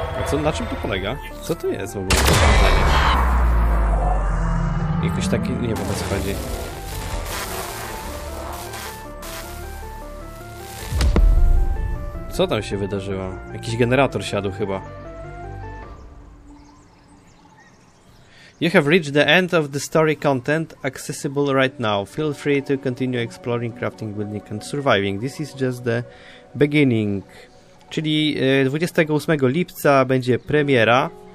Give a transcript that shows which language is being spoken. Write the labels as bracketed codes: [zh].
[pl] Co, na czym to polega? Co to jest w ogóle? Jakiś taki... nie wiem, o co chodzi. Co tam się wydarzyło? Jakiś generator siadł chyba. [en] You have reached the end of the story content accessible right now. Feel free to continue exploring, crafting, building and surviving. This is just the beginning. [pl] Czyli 28 lipca będzie premiera.